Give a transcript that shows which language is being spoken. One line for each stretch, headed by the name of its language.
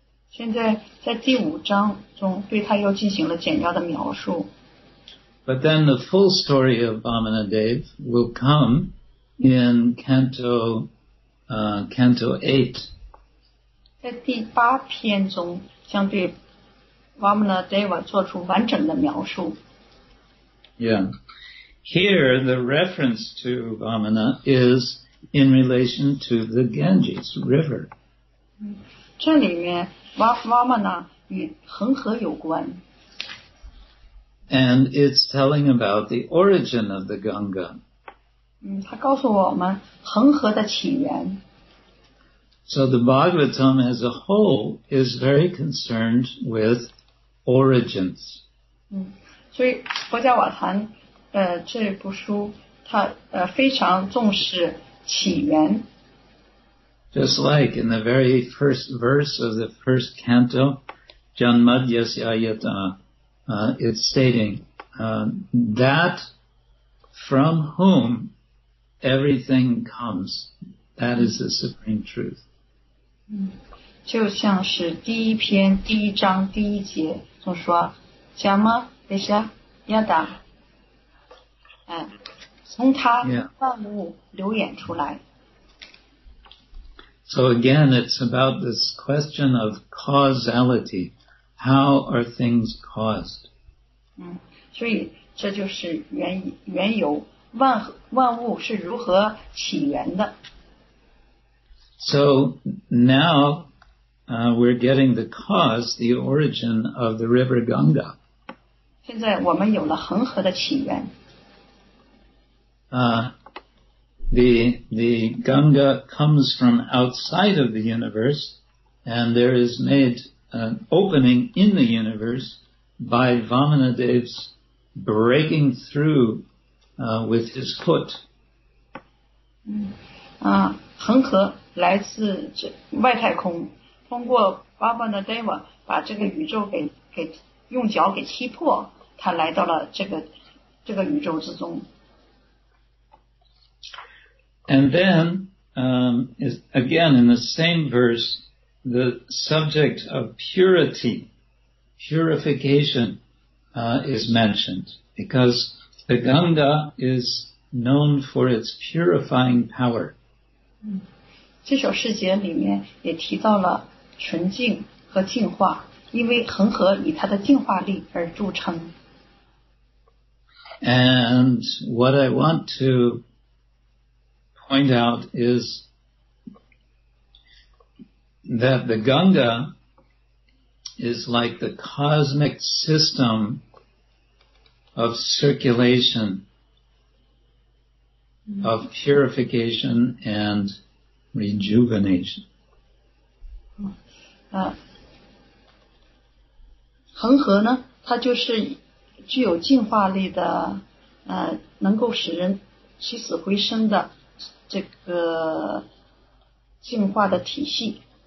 Chinese: 现在在第五章中对他又进行了简要的描述。
English: But then the full story of Vamanadev will come in Canto Canto 8.
Chinese: 在第八篇中将对 Vamana Deva 做出完整的描述。
English: Yeah. Here, the reference to Vamana is in relation to the Ganges River.
Chinese: 这里面 Vamana 与恒河有关。
English: And it's telling about the origin of the Ganga.
Chinese: 它告诉我们恒河的起源。
English: So the Bhagavatam as a whole is very concerned with origins.
Chinese: 所以佛家瓦坛这部书它非常重视起源。
English: Just like in the very first verse of the first canto, Janmadyasyayata, it's stating that from whom everything comes, that is the supreme truth.
Chinese: 就像是第一篇第一章第一节总说 Jama Desha Yada 从他万物流演出来、
English: yeah. So again it's about this question of causality. How are things caused?
Chinese: 所以这就是 缘由 万物是如何起源的。
English: So now we're getting the cause, the origin of the river Ganga.
Chinese: 现在我们有了恒河的起源。
English: The Ganga comes from outside of the universe, and there is made an opening in the universe by Vamanadeva's breaking through with his foot.
Chinese: 恒河来自这外太空，通过 Vamanadeva 把这个宇宙给用脚给踢破，他来到了这个宇宙之中。
English: And then, is again in the same verse, the subject of purity, purification, is mentioned because the Ganga is known for its purifying power.
Chinese: 这首诗节里面也提到了纯净和净化，因为恒河以它的净化力而著称。
English: And what I want to point out is that the Ganga is like the cosmic system of circulation, of purification and rejuvenation.
Chinese: 恒河呢，它就是具有净化力的，能够使人起死回生的这个净化的体系。